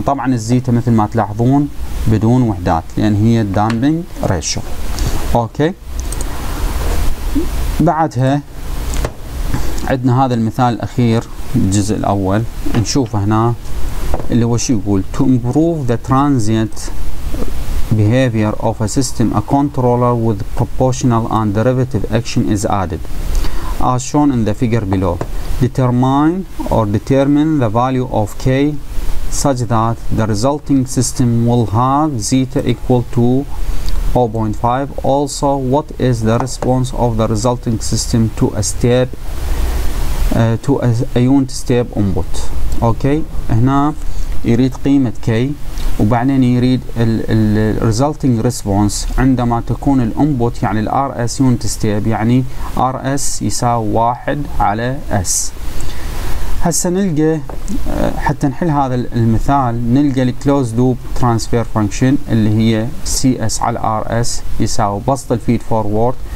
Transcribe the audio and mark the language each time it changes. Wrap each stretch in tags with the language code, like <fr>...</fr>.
<ar>طبعا الزيتا مثل ما تلاحظون بدون وحدات لان هي دامبنج ريشيو. اوكي، بعدها عندنا هذا المثال الاخير الجزء الاول نشوفه هنا اللي هو شو يقول.</ar> <en>To improve the transient behavior of a system, a controller with proportional and derivative action is added as shown in the figure below. Determine or determine the value of k such that the resulting system will have zeta equal to 0.5. Also, what is the response of the resulting system to a step to a unit step input.</en> <ar>Okay, هنا يريد قيمة k وبعدين يريد ال resulting response عندما تكون ال input يعني ال rs unit step يعني rs يساوي 1 على s. هسه نلقى حتى نحل هذا المثال نلقى الـ closed loop transfer function اللي هي cs على rs يساوي بسط الفيد فورورد.</ar>